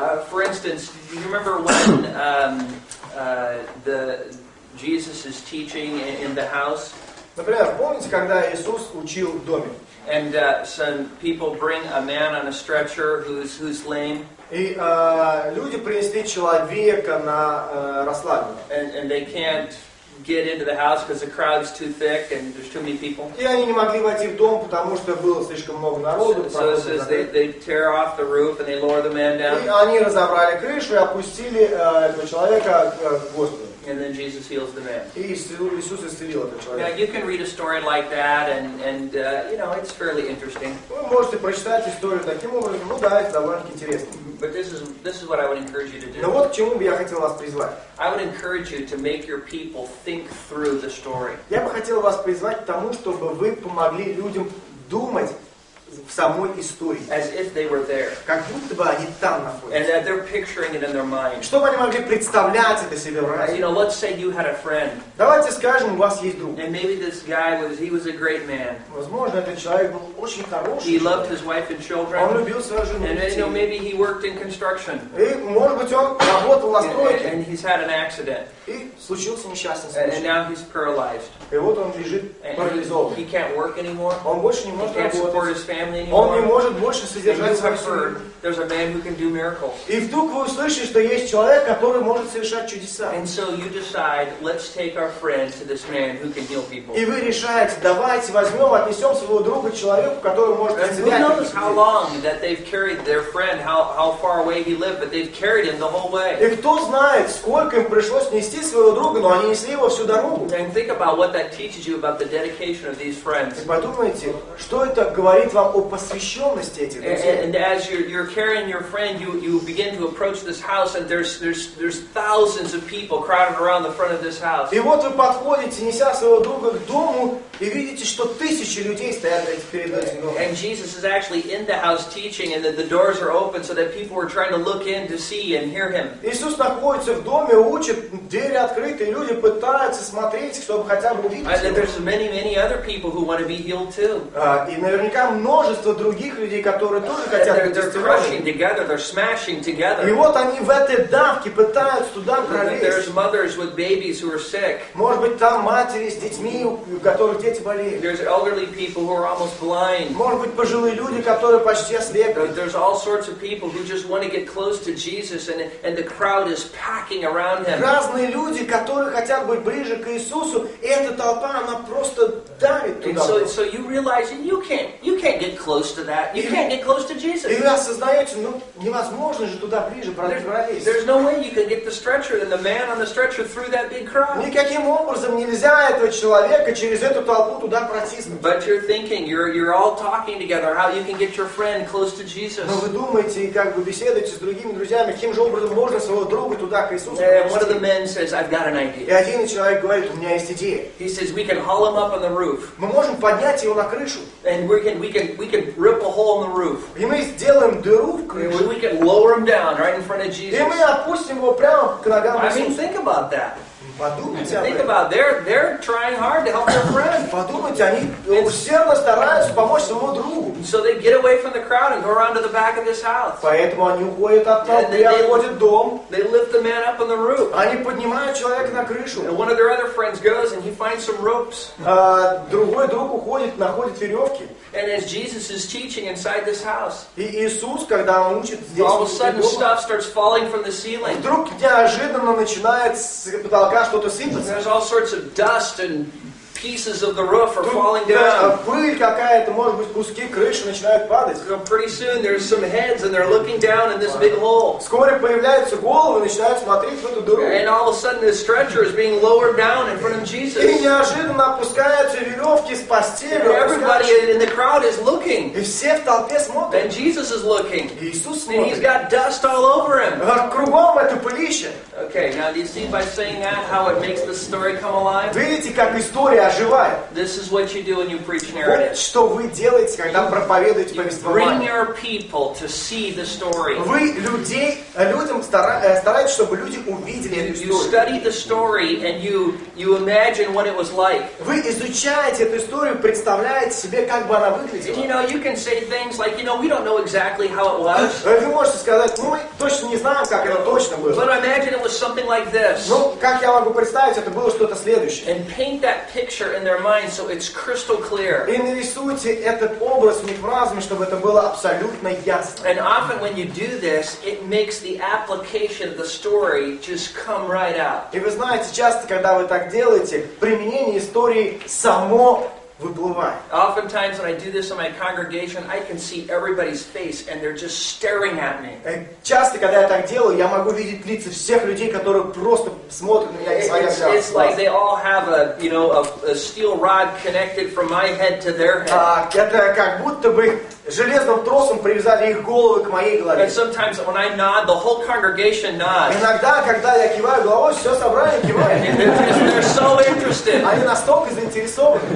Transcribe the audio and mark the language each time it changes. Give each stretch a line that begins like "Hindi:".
English: For instance, do you remember when Jesus is teaching in the house?
Russian: Например, помните, когда Иисус учил в доме?
English: And some people bring a man on a stretcher who's lame.
Russian: И люди принесли человека на расслабление.
English: And they can't get into the house because the crowd's too thick and there's too many people.
Russian: И они не могли войти в дом, потому что было слишком много народу.
English: So it says they tear off the roof and they lower the man down.
Russian: И они разобрали крышу и опустили этого человека в Господа.
English: And then Jesus heals the man.
Russian: Иисус исцелил этого человека.
English: Now you can read a story like that, and you know, it's fairly interesting.
Russian: Вы можете прочитать историю таким образом. Ну да, это довольно интересно.
English: But this is what I would encourage you to do.
Russian: Но вот к чему бы я хотел вас призвать.
English: I would encourage you to make your people think through the story.
Russian: Я бы хотел вас призвать к тому, чтобы вы помогли людям думать в самой истории.
English: As if they were there.
Russian: Как будто бы они там находятся.
English: And that they're picturing it in their mind.
Russian: Чтобы они могли представлять это себе в разуме.
English: You know, let's say you had a friend.
Russian: Давайте скажем, у вас есть друг.
English: And maybe this guy was a great man.
Russian: Возможно, этот человек был очень хороший.
English: He loved his wife and children.
Russian: Он любил свою жену.
English: And you know, maybe he worked in construction.
Russian: И, может быть, он работал на стройке.
English: And he's had an accident.
Russian: И случился несчастный случай.
English: And now he's paralyzed.
Russian: И вот он лежит парализован.
English: He can't work anymore.
Russian: Он больше не может работать.
English: He can't support his family.
Russian: Он не может больше содержать свою семью.
English: There's a man who can do miracles.
Russian: И вдруг вы услышите, что есть человек, который может совершать чудеса.
English: And so you decide, let's take our friend to this man who can heal people.
Russian: И вы решаете, давайте возьмем, отнесем своего друга человеку, который может исцелять.
English: Who knows how long that they've carried their friend, how far away he lived, but they've carried him the whole way.
Russian: И кто знает, сколько им пришлось нести своего друга, но они несли его всю дорогу.
English: And think about what that teaches you about the dedication of these friends.
Russian: И подумайте, что это говорит вам о посвященности этих друзей.
English: And as you're carrying your friend, you begin to approach this house, and there's thousands of people crowded around the front of this house.
Russian: И вот вы подходите, неся своего друга к дому, и видите, что тысячи людей стоят перед этим домом.
English: And Jesus is actually in the house teaching, and the doors are open so that people are trying to look in to see and hear him.
Russian: Иисус находится в доме, учит, двери открыты, и люди пытаются смотреть, чтобы хотя бы увидеть его.
English: And there's many other people who want to be healed too.
Russian: И наверняка множество других людей, которые тоже хотят быть исцелены.
English: Together, they're smashing together.
Russian: И вот они в этой давке пытаются туда пролезть.
English: There's mothers with babies who are sick.
Russian: Может быть, там матери с детьми, у которых дети болеют.
English: There's elderly people who are almost blind.
Russian: Может быть, пожилые люди, которые почти ослепли.
English: There's all sorts of people who just want to get close to Jesus, and the crowd is packing around him.
Russian: Разные люди, которые хотят быть ближе к Иисусу, и эта толпа, она просто давит туда.
English: And so you realize, and you can't can't get close to that. You can't get close to Jesus.
Russian: И вы осознаете, ну невозможно же туда ближе пролезть.
English: There's no way you can get the stretcher and the man on the stretcher through that big crowd.
Russian: Никаким образом нельзя этого человека через эту толпу туда протиснуть.
English: But you're thinking, you're all talking together, how you can get your friend close to Jesus.
Russian: Но вы думаете и как бы беседуете с другими друзьями, каким же образом можно своего друга туда к Иисусу привести?
English: And one of the men says, "I've got an idea."
Russian: И один человек говорит, у меня есть идея.
English: He says, "We can haul him up on the roof."
Russian: Мы можем поднять его на крышу.
English: And we can rip a hole in the roof.
Russian: И мы сделаем дыру в крыше.
English: We can lower him down right in front of Jesus.
Russian: И мы опустим его прямо к ногам Иисуса.
English: I mean, think about that.
Russian: Подумайте.
English: Think about they're trying hard to help their friend.
Russian: Подумайте, они усердно стараются помочь своему другу.
English: So they get away from the crowd and go around to the back of this house.
Russian: Поэтому они уходят от толпы и обходят дом.
English: They lift the man up on the roof.
Russian: Они поднимают человека на крышу.
English: And one of their other friends goes and he finds some ropes.
Russian: Другой друг уходит, находит веревки.
English: And as Jesus is teaching inside this house,
Russian: и Иисус, когда он учит здесь,
English: all of a sudden stuff starts falling from the ceiling.
Russian: Вдруг неожиданно начинает с потолка что-то сыпаться.
English: There's all sorts of dust and pieces of the roof are falling down.
Russian: Пыль какая-то, может быть, куски крыши начинают падать.
English: So pretty soon there's some heads and they're looking down in this big hole.
Russian: Скоро появляются головы и начинают смотреть в эту дыру.
English: And all of a sudden this stretcher is being lowered down in front of Jesus.
Russian: И неожиданно опускаются веревки с постели.
English: Everybody in the crowd is looking.
Russian: И все в толпе смотрят.
English: And Jesus is looking.
Russian: Иисус смотрит.
English: And he's got dust all over him.
Russian: А кругом это пылище.
English: Okay, now do you see by saying that how it makes the story come alive?
Russian: Видите, как история.
English: This is what you do when you preach narrative.
Russian: Вот что вы делаете, когда проповедуете повествование.
English: Bring your people to see the story.
Russian: Вы людям стараетесь, чтобы люди увидели эту историю.
English: You study the story and you imagine what it was like.
Russian: Вы изучаете эту историю, представляете себе, как бы она выглядела.
English: You know, you can say things like, you know, we don't know exactly how it was.
Russian: Вы можете сказать, мы точно не знаем, как это точно было.
English: But imagine it was something like this.
Russian: Ну, как я могу представить, это было что-то следующее.
English: And paint that picture in their mind so it's crystal clear.
Russian: И нарисуйте этот образ в их разуме, чтобы это было абсолютно ясно.
English: And often when you do this, it makes the application of the story just come right out.
Russian: И вы знаете, часто, когда вы так делаете, применение истории само выплывает.
English: Oftentimes when I do this in my congregation, I can see everybody's face and they're just staring at me.
Russian: Часто, когда я так делаю, я могу видеть лица всех людей, которые просто смотрят на меня из своих глаз.
English: It's like they all have a steel rod connected from my head to their head.
Russian: Это как будто бы железным тросом привязали их головы к моей голове.
English: And sometimes when I nod, the whole congregation nods.
Russian: Иногда, когда я киваю головой, все собрание кивает.
English: They're so interested.
Russian: Они настолько заинтересованы.